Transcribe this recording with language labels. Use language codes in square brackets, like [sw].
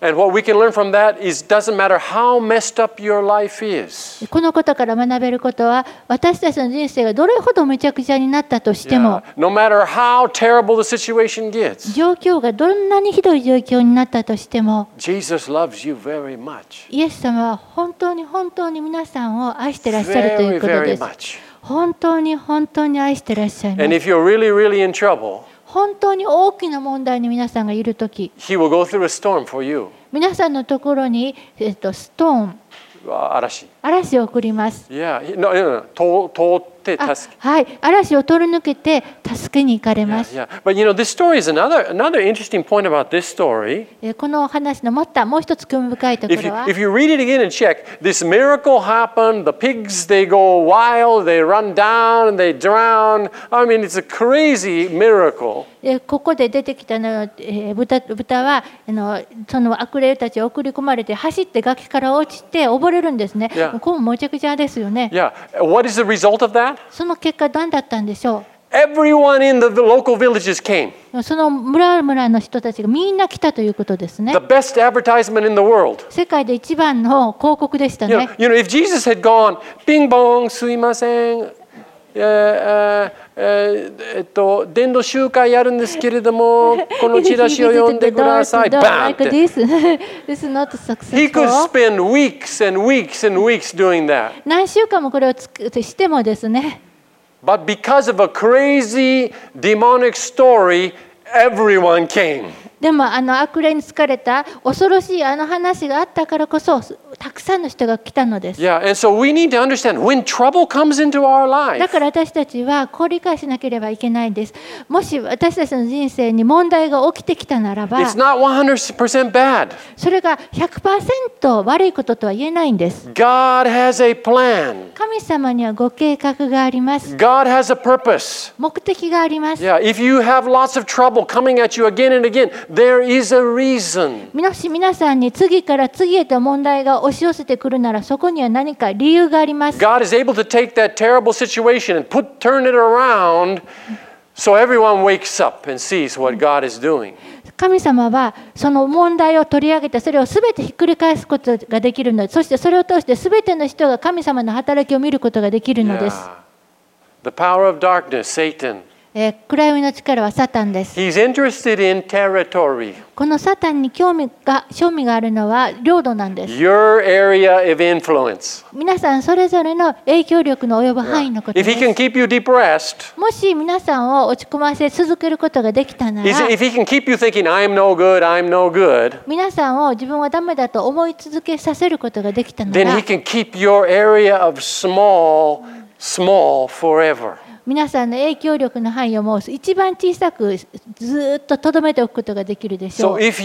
[en] And what we can learn from that is doesn't matter how messed up your life is. [ja] このことから学べることは、私たちの人生がどれほどめちゃくちゃになったとしても、 [en] No matter how terrible the situation gets. [ja] 状況がどんなにひどい状況になったとしても、 [en] Jesus loves you very much. [ja] イエス様は本当に本当に皆さんを愛してらっしゃるということです。 [en] Very, very much. [ja] 本当に本当に愛してらっしゃいます。 [en] And if you're really, really in trouble. [ja] 本当に大きな問題に皆さんがいるとき、 [en] He will go through a storm for you. [ja] 皆さんのところに、ストーン、嵐を送ります。 Yeah, no. 通って助け。はい、嵐を通り抜けて助けに行かれます。 [en] Yeah, yeah. But you know, this story is another interesting point about this story. [ja] この話のもったもう一つ興味深いところは、 [en] If you read it again and check, this miracle happened. The pigs they go wild, they run down, they drown. I mean, it's a crazy miracle. [ja] ここで出てきたの、豚はその悪霊たちを送り込まれて走って崖から落ちて溺れるんですね。Yeah. ここもむちゃくちゃですよね。 [en] Yeah. What is the result of that? [ja] その結果何だったんでしょう。 [en] Everyone in the local villages came. [ja] その村々の人たちがみんな来たということですね。 [en] The best advertisement in the world. [ja] 世界で一番の広告でしたね。 [en] You know, if Jesus had gone, ping pong, [ja] すいません。伝道集会やるんですけれどもこのチラシを読んでくださいバーンって [en] This is not successful. He could spend weeks and weeks and weeks doing that. [ja] 何週間もこれをしてもですね。 [en] But because of a crazy demonic story, everyone came. [ja] でも悪霊に疲れた恐ろしいあの話があったからこそたくさんの人が来たのです。 [en] Yeah, and so we need to understand when trouble comes into our life. [ja] だから私たちはこう理解しなければいけないんです。もし私たちの人生に問題が起きてきたならば、 [en] It's not 100% bad. [ja] それが 100% 悪いこととは言えないんです。 [en] God has a plan. [ja] 神様にはご計画があります。 [en] God has a purpose. [ja] 目的があります。 [en] Yeah, if you have lots of trouble coming at you again and again, there is a reason. [ja] もし皆さんに次から次へと問題が押し寄せてくるならそこには何か理由があります。 [en] God is able to take that terrible situation and turn it around so everyone wakes up and sees what God is doing. [ja] 神様はその問題を取り上げてそれをすべてひっくり返すことができるので、そしてそれを通してすべての人が神様の働きを見ることができるのです。 [en] The power of darkness, Satan. [ja] 暗闇の力はサタンです。 [en] He's interested in territory. [ja] このサタンに興味があるのは領土なんです。 [en] Your area of influence. [ja] 皆さんそれぞれの影響力の及ぶ範囲のことです。 [en] If he can keep you depressed, [ja] もし皆さんを落ち込ませ続けることができたなら、 [en] If he can keep you thinking I'm no good, I'm no good, [ja] 皆さんを自分はダメだと思い続けさせることができたなら、 [en] Then he can keep your area of small forever. [ja] 皆さんの影響力の範囲をもう一番小さくずっと留めておくことができるでしょう。